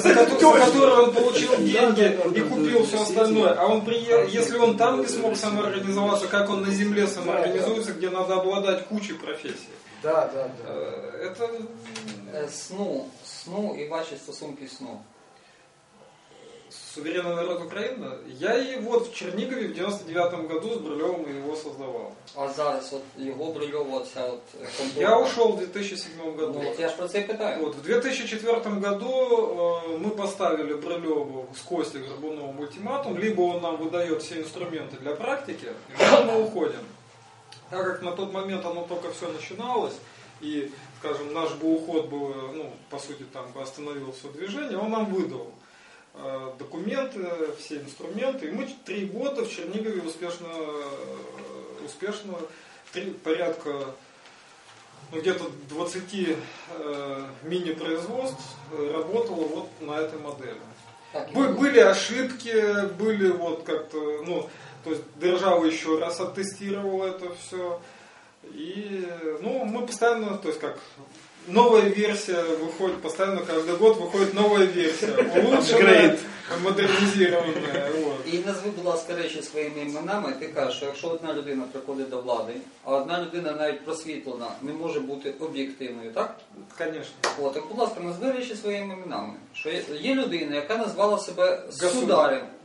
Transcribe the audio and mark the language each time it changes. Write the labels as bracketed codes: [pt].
[ru] за которую он получил деньги и купил все остальное, а он приехал, если он там не смог самоорганизоваться, как он на земле самоорганизуется, где надо обладать кучей профессий? Да, да, да. Это сну и бачить стосунки сну. Суверенный народ Украины. Я и вот в Чернигове в 99-м году с Брюльовым его создавал. А зараз вот его Брюльова вся вот... Я ушел в 2007 году. [uk] Вот я ж про це и питаю. [ru] Вот, в 2004 году мы поставили Брюльову с Костей Горбуновым ультиматум. Либо он нам выдает все инструменты для практики, либо мы уходим. Так как на тот момент оно только все начиналось, и, скажем, наш бы уход был, ну, по сути, там бы остановил все движение, он нам выдал документы, все инструменты. И мы 3 года в Чернигове успешно порядка, ну, где-то 20 мини-производств работало вот на этой модели. Были ошибки, были вот как-то, ну, то есть держава еще раз оттестировала это все. И, ну, мы постоянно, то есть как... Новая версия выходит постоянно, каждый год выходит новая версия, улучшенная, модернизированная. Вот. [uk] І назви, будь ласка, речі своїми іменами, ти кажеш, що якщо одна людина приходить до влади, а одна людина навіть просвітлена, не може бути об'єктивною, так? Звісно. Так, будь ласка, назви речі своїми іменами. Що є людина, яка назвала себе сударем.